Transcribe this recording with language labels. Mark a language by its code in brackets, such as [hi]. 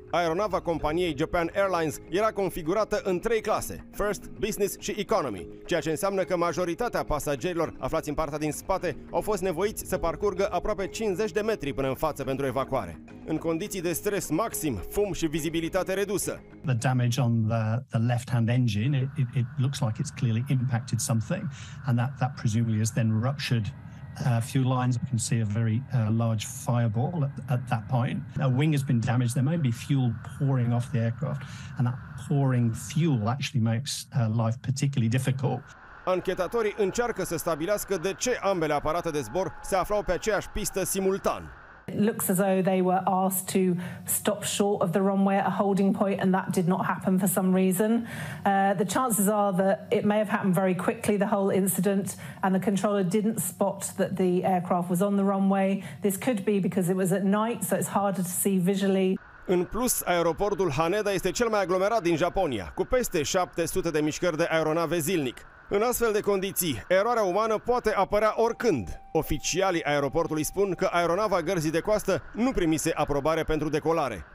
[ro] Aeronava companiei Japan Airlines era configurată în trei clase, First, Business și Economy, ceea ce înseamnă că majoritatea pasagerilor aflați în partea din spate au fost nevoiți să parcurgă aproape 50 de metri până în față pentru evacuare. În condiții de stres maxim, fum și vizibilitate redusă. [en] The damage on the left-hand engine, it looks like it's clearly impacted something, and that presumably has then ruptured a few lines. We can see a very large fireball at that point. A wing has been damaged. There may be fuel pouring off the aircraft, and that pouring fuel actually makes life particularly difficult. [ro] Anchetatorii încearcă să stabilească de ce ambele aparate de zbor se aflau pe aceeași pistă simultan. [en] It looks as though they were asked to stop short of the runway at a holding point, and that did not happen for some reason. The chances are that it may have happened very quickly, the whole incident, and the controller didn't spot that the aircraft was on the runway. This could be because it was at night, so it's harder to see visually. [ro] În plus, aeroportul Haneda este cel mai aglomerat din Japonia, cu peste 700 de mișcări de aeronave zilnic. În astfel de condiții, eroarea umană poate apărea oricând. Oficialii aeroportului spun că aeronava gărzii de coastă nu primise aprobare pentru decolare.